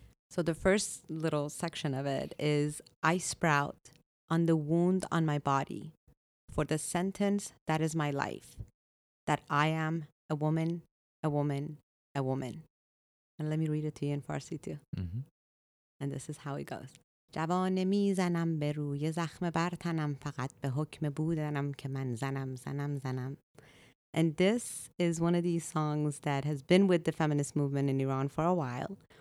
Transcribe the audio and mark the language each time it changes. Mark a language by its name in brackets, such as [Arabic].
[English] So the first little section of it is, I sprout on the wound on my body for the sentence that is my life, that I am a woman, a woman, a woman. And let me read it to you in Farsi too. Mm-hmm. And this is how it goes. [Persian] جوانه می زنم به روی زخم بر تنم فقط به حکم بودنم که من زنم زنم زنم. [English] And this is one of these songs that has been with the feminist movement in Iran for a while.